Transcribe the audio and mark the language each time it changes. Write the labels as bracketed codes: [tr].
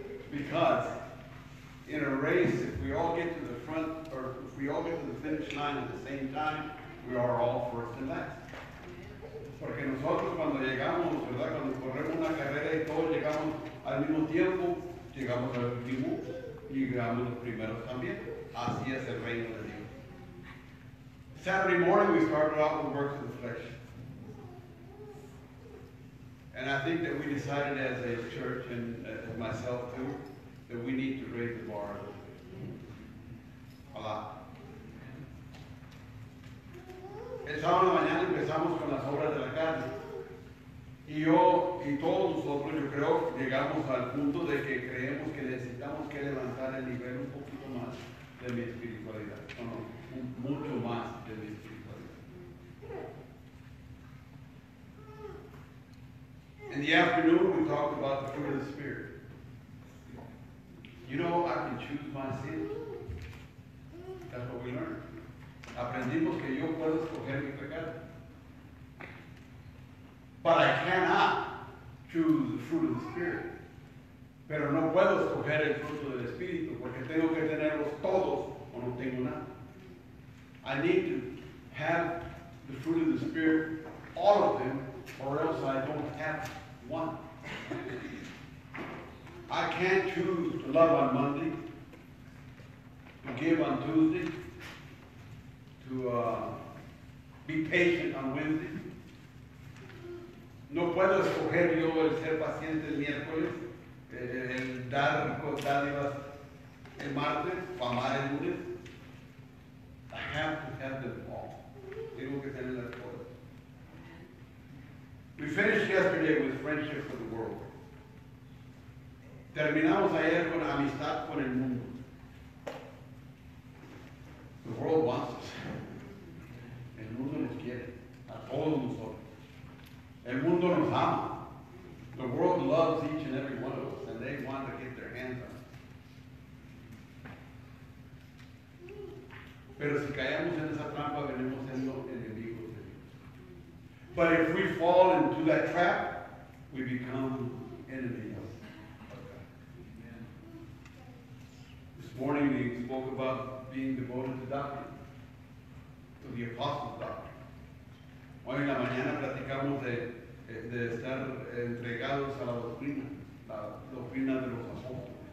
[en] Because in a race, if we all get to the front, front, or if we all get to the finish line at the same time, we are all first and last. [es] Porque nosotros cuando llegamos, ¿verdad? Cuando corremos una carrera y todos llegamos al mismo tiempo, llegamos al último y llegamos los primeros también. Así es el reino de Dios. [en] Saturday morning we started out with works of the flesh. And I think that we decided as a church and as myself too, that we need to raise the bar a little bit. A lot. [es] El sábado mañana empezamos con las obras de la carne. Y yo y todos nosotros, yo creo, llegamos al punto de que creemos que necesitamos que levantar el nivel un poquito más de mi espiritualidad. Bueno, mucho más de mi espiritualidad. [en] In the afternoon, we talked about the fruit of the Spirit. You know, I can choose my sin. That's what we learned. [es] Aprendimos que yo puedo escoger mi pecado. [en] But I cannot choose the fruit of the Spirit. [es] Pero no puedo escoger el fruto del Espíritu porque tengo que tenerlos todos o no tengo nada. [en] I need to have the fruit of the Spirit, all of them, or else I don't have one. I can't choose to love on Monday, to give on Tuesday, to be patient on Wednesday. [es] No puedo escoger yo el ser paciente el miércoles, el dar dádivas el martes, o amar el lunes. [en] I have to have them all. [es] Tengo que tener las cosas. [en] We finished yesterday with friendship for the world. [es] Terminamos ayer con amistad con el mundo. [en] The world wants us. [es] El mundo nos quiere, a todos nosotros. El mundo nos ama. [en] The world loves each and every one of us, and they want to get their hands on us. [es] Pero si caemos en esa trampa, venimos siendo enemigos de Dios. [en] But if we fall into that trap, we become enemies of God. This morning we spoke about being devoted to doctrine. To the apostles' doctrine. [es] Hoy en la mañana platicamos de estar entregados a la doctrina de los apóstoles.